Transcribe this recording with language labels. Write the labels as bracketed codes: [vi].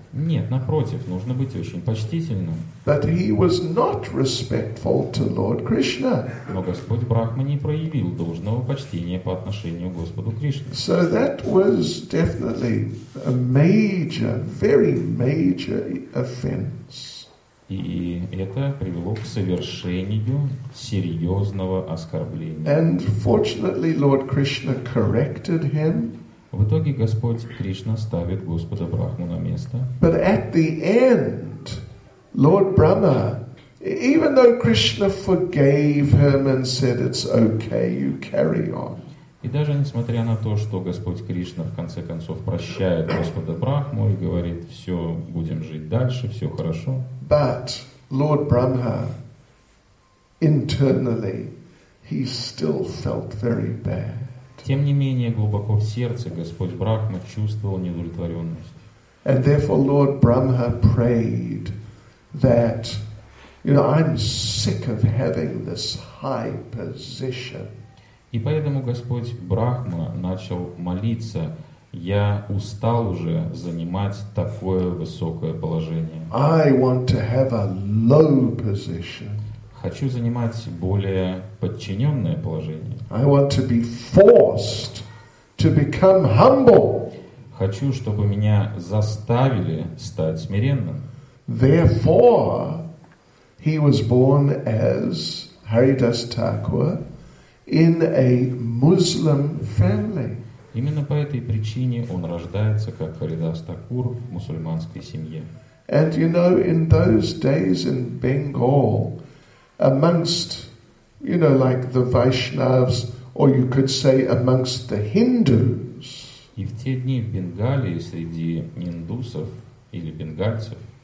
[ru] Нет, напротив, нужно быть очень почтительным. [en] But he was not respectful to Lord Krishna. [ru] Но Господь Брахма не проявил должного почтения по отношению к Господу Кришне. [en] So that was definitely a major, very major offense. [ru] И это привело к совершению серьезного оскорбления. [en] And fortunately, Lord Krishna corrected him. [ru] В итоге Господь Кришна ставит Господа Брахму на место. [en] But at the end, Lord Brahma, even though Krishna forgave him and said it's okay, you carry on. [ru] И даже несмотря на то, что Господь Кришна в конце концов прощает Господа Брахму и говорит, все, будем жить дальше, все хорошо. [en] But Lord Brahma, internally, he still felt very bad. [ru] Тем не менее, глубоко в сердце Господь Брахма чувствовал неудовлетворенность. [en] And therefore Lord Brahma prayed that, you know, I'm sick of having this high position. [ru] И поэтому Господь Брахма начал молиться: я устал уже занимать такое высокое положение. [en] I want to have a low position. [ru] Хочу занимать более подчиненное положение. [en] I want to be forced to become humble. [ru] Хочу, чтобы меня заставили стать смиренным. [en] Therefore, he was born as Haridas Thakur in a Muslim family. [ru] Именно по этой причине он рождается как Харидас Такур в мусульманской семье. [en] And you know, in those days in Bengal, amongst, you know, like the Vaishnavs, or you could say amongst the Hindus. [ru] И в те дни в Бенгалии среди индусов или бенгальцев.